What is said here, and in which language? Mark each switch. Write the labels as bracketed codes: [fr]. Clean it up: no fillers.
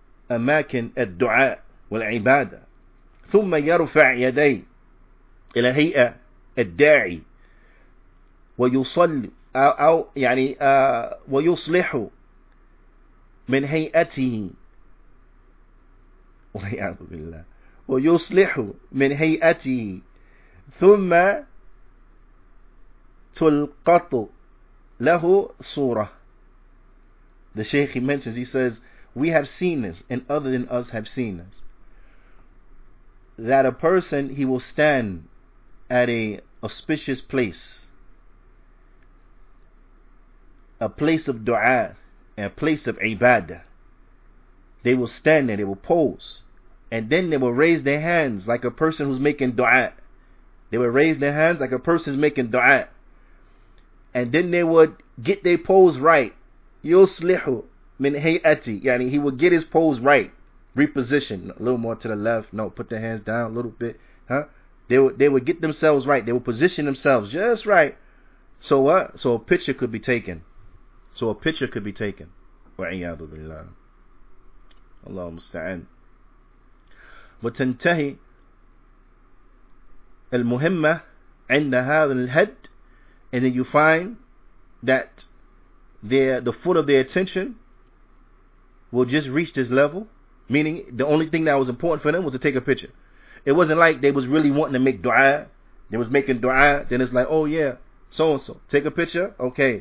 [ar] أَمَاكِنِ الدُّعَاءِ وَالْعِبَادَةِ ثُمَّ يَرُفَعْ يَدَيْهِ إلى هيئة الداعي ويصل أو يعني ويصلح من هيئته والعياذ بالله ويصلح من هيئته ثم تلقط له صورة. [en] The Shaykh, he mentions, he says, we have seen this and other than us have seen this, that a person, he will stand at a auspicious place, a place of dua, a place of ibadah, They will stand there, they will pose, and then they will raise their hands like a person who's making dua. They will raise their hands like a person who's making dua. And then they would get their pose right. [ar] Yuslihu min hayati. [en] Yani he would get his pose right. Reposition a little more to the left. No, put their hands down a little bit. Huh? They would get themselves right. They would position themselves just right. So what? So a picture could be taken. So a picture could be taken. Wa'iyadu billah. Allahu musta'an. [ar] وتنتهي المهمة عند هذا الهد. [en] And then you find that the foot of their attention will just reach this level, meaning the only thing that was important for them was to take a picture. It wasn't like they was really wanting to make dua. They was making dua, then it's like, oh yeah, so and so, take a picture, okay.